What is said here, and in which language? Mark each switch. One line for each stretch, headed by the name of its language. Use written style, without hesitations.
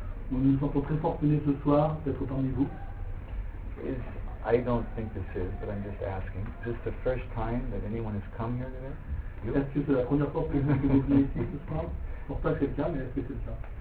French: Nous nous sentons très fortunés ce soir d'être parmi vous.
English: I don't think this is, but I'm just asking. Is this the first time that anyone has come here today?
French: Est-ce que c'est la première fois que vous venez ici ce soir? Pour pas quelqu'un, mais est-ce que c'est ça?